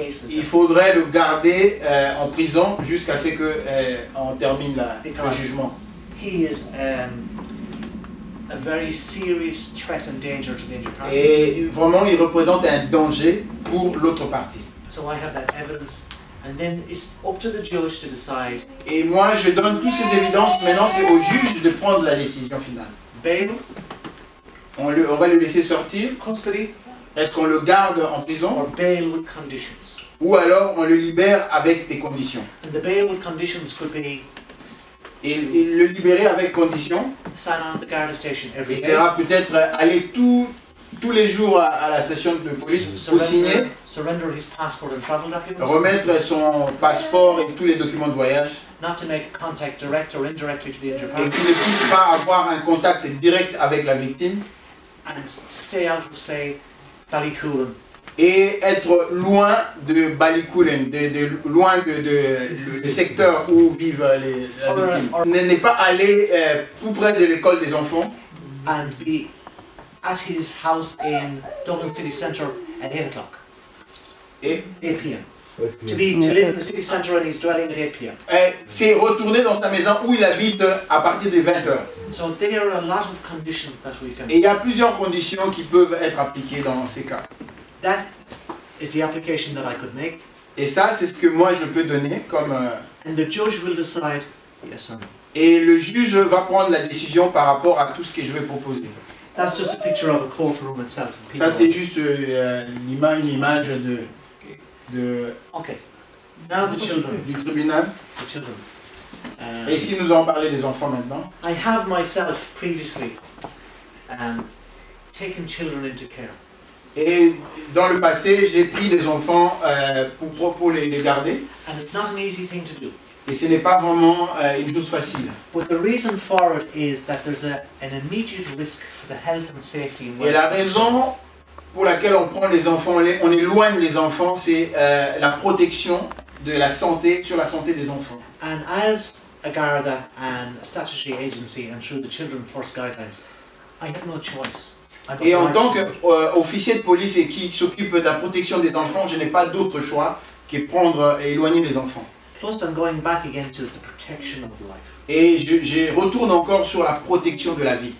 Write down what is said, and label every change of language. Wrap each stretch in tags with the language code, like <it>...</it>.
<fr>Il faudrait le garder en prison jusqu'à ce que on termine le jugement.</fr> <en>He is a very serious threat and danger to the injured party.</en> <fr>Et vraiment, il représente un danger pour l'autre partie.</fr> <en>So I have that evidence And then it's up to the judge to decide.</en> <fr>Et moi, je donne toutes ces évidences. Maintenant, c'est au juge de prendre la décision finale.</fr> <en>Bail.</en> <fr>On va le laisser sortir.</fr> <en>Custody.</en> <fr>Est-ce qu'on le garde en prison?</fr> <en>Or bail with conditions.</en> <fr>Ou alors on le libère avec des conditions.</fr> <en>And the bail with conditions could be.</en> <fr>Et le libérer avec conditions.</fr> <en>Sign on at the guard station every day.</en> <fr>Et sera peut-être aller tous les jours à la station de police pour signer,</fr> <en>surrender his passport and travel documents.</en> <fr>Remettre son passeport et tous les documents de voyage.</fr> <en>Not to make contact direct or indirectly to the injured person.</en> <fr>Et qu'il ne puisse pas avoir un contact direct avec la victime.</fr> <en>And stay out of, say, Ballycullen.</en> <fr>Et être loin de Ballycullen, loin de secteur où vivent les victimes. N'est pas aller tout près de l'école des enfants.</fr> <en>And be at his house in Dublin city center at 8 o'clock. Eight p.m. To live in the city center and he's dwelling at 8 p.m.</en> <fr>C'est retourner dans sa maison où il habite à partir des 20 heures.</fr> <en>So there are a lot of conditions that we can.</en> <fr>Et il y a plusieurs conditions qui peuvent être appliquées dans ces cas.</fr> <en>That is the application that I could make.</en> <fr>Et ça, c'est ce que moi je peux donner comme.</fr> <en>And the judge will decide. Yes, sir.</en> <fr>Et le juge va prendre la décision par rapport à tout ce que je vais proposer.</fr> <en>That's just a picture of a courtroom itself.</en> <fr>Ça c'est juste une image de.</fr> <en>Okay. Now the children.</en> <fr>Du tribunal.</fr> <en>The children.</en> <fr>Et ici nous allons parler des enfants maintenant.</fr> <en>I have myself previously taken children into care.</en> <fr>Et dans le passé j'ai pris des enfants pour les garder.</fr> <en>And it's not an easy thing to do.</en> <fr>Et ce n'est pas vraiment une chose facile.</fr> <en>But the reason for it is that there's an immediate risk for the health and safety.</en> <fr>Et la raison pour laquelle on prend les enfants, on éloigne les enfants, c'est la protection de la santé sur la santé des enfants.</fr> <en>And as a Garda and a statutory agency and through the Children First Guidelines, I have no choice.</en> <fr>Et en tant qu'officier de police et qui s'occupe de la protection des enfants, je n'ai pas d'autre choix que prendre et éloigner les enfants.</fr> <en>Plus, I'm going back again to the protection of life.</en> <fr>Et je retourne encore sur la protection de la vie.</fr>